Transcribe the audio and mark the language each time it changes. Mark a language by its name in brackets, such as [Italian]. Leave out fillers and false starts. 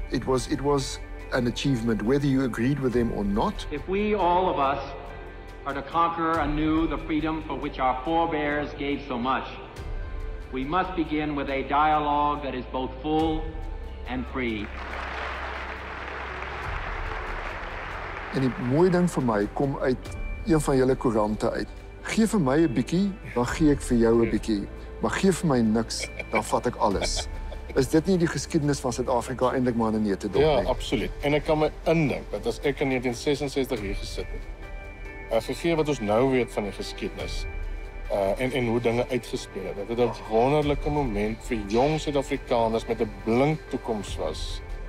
[English] It was an achievement, whether you agreed with them or not. If we, all of us, are to conquer anew the freedom for which our forebears gave so much, we must begin with a dialogue that is both full and free. [Afrikaans] En die mooi ding vir my kom uit een van julle koerante uit. Gee vir my 'n bietjie, dan gee ek vir jou 'n bietjie. Maar gee vir my niks, dan vat ek alles. Is dit nie die geskiedenis van Suid-Afrika eintlik maar in neete dop nie? Ja, absoluut. En ek kan my indink dat as ek in 1966 hier gesit het, gegee wat ons nou weet van die geskiedenis en hoe dinge uitgespeel het, dat dit 'n wonderlike moment vir jong Suid-Afrikaners met 'n blink toekoms was.